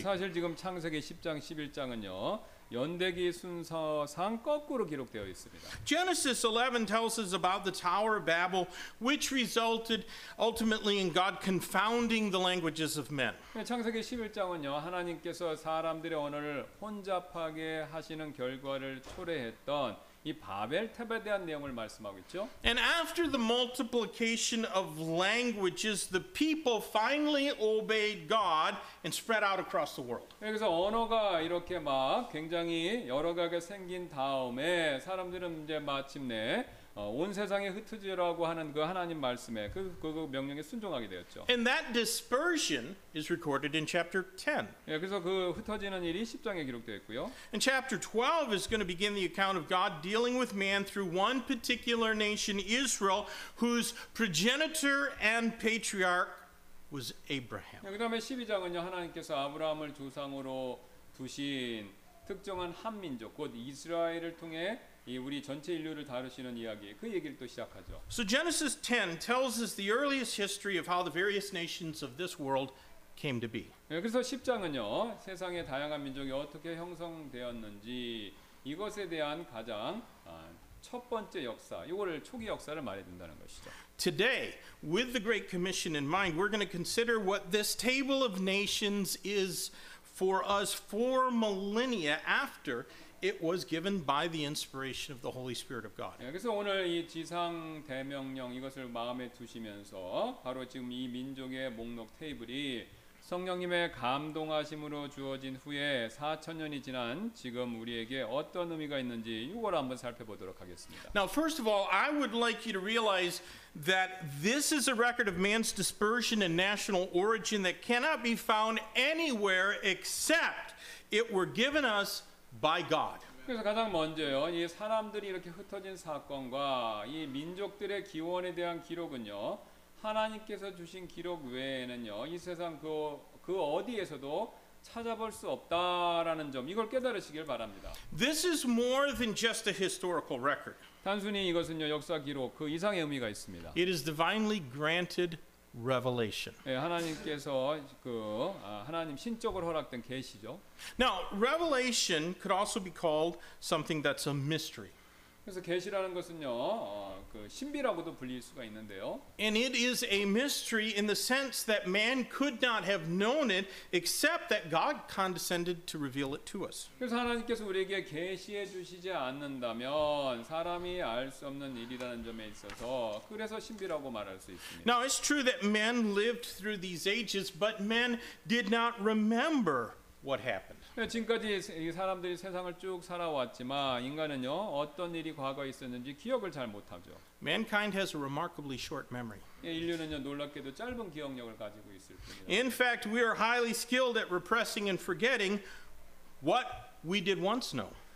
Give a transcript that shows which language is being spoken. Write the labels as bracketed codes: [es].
[ko] 예, 사실 지금 창세기 10장 11장은요. 연대기 순서상 거꾸로 기록되어 있습니다. [en] Genesis 11 tells us about the Tower of Babel which resulted ultimately in God confounding the languages of men. [ko] 예, 창세기 11장은요. 하나님께서 사람들의 언어를 혼잡하게 하시는 결과를 초래했던 이 바벨탑에 대한 내용을 말씀하고 있죠. [en] And after the multiplication of languages, the people finally obeyed God and spread out across the world. [ko] 그래서 언어가 이렇게 막 굉장히 여러 가지 생긴 다음에 사람들은 이제 마침내 온 세상에 흩어지라고 하는 그 하나님 말씀에 그 명령에 순종하게 되었죠. [en] And that dispersion is recorded in chapter 10. [ko] 예, 그래서 그 흩어지는 일이 10장에 기록되어 있고요. [en] And chapter 12 is going to begin the account of God dealing with man through one particular nation, Israel, whose progenitor and patriarch was Abraham. [ko] 예, 그다음에 12장은요, 하나님께서 아브라함을 조상으로 두신 특정한 한 민족, 곧 이스라엘을 통해 이 우리 전체 인류를 다루시는 이야기, 그 얘기를 또 시작하죠. [en] So Genesis 10 tells us the earliest history of how the various nations of this world came to be. [ko] 예, 그래서 10장은요, 세상의 다양한 민족이 어떻게 형성되었는지 이것에 대한 가장 첫 번째 역사, 이거를 초기 역사를 말해준다는 것이죠. [en] Today, with the Great Commission in mind, we're going to consider what this table of nations is for us four millennia after it was given by the inspiration of the Holy Spirit of God. [ko] 그래서 오늘 이 지상 대명령 이것을 마음에 두시면서 바로 지금 이 민족의 목록 테이블이 성령님의 감동하심으로 주어진 후에 4000년이 지난 지금 우리에게 어떤 의미가 있는지 이걸 한번 살펴보도록 하겠습니다. [en] Now first of all, I would like you to realize that this is a record of man's dispersion and national origin that cannot be found anywhere except it were given us by God. [ko] 그래서 가장 먼저요. 이 사람들이 이렇게 흩어진 사건과 이 민족들의 기원에 대한 기록은요. 하나님께서 주신 기록 외에는요. 이 세상 그 어디에서도 찾아볼 수 없다라는 점 이걸 깨달으시길 바랍니다. [en] This is more than just a historical record. [ko] 단순히 이것은요. 역사 기록 그 이상의 의미가 있습니다. [en] It is divinely granted revelation. [ko] 예, 하나님께서 하나님 신적으로 허락된 계시죠. [en] Now, revelation could also be called something that's a mystery. [ko] 그래서 계시라는 것은요, 신비라고도 불릴 수가 있는데요. [en] And it is a mystery in the sense that man could not have known it except that God condescended to reveal it to us. [ko] 그래서 하나님께서 우리에게 계시해 주시지 않는다면 사람이 알 수 없는 일이라는 점에 있어서 그래서 신비라고 말할 수 있습니다. [en] Now it's true that men lived through these ages, but men did not remember what happened. [ko] 지금까지 사람들이 세상을 쭉 살아왔지만 인간은요 어떤 일이 과거에 있었는지 기억을 잘 못하죠. [en] Mankind has a remarkably short memory. [ko] 인류는요 놀랍게도 짧은 기억력을 가지고 있을 뿐이에요. [en] In fact, we are highly skilled at repressing and forgetting what we did once know.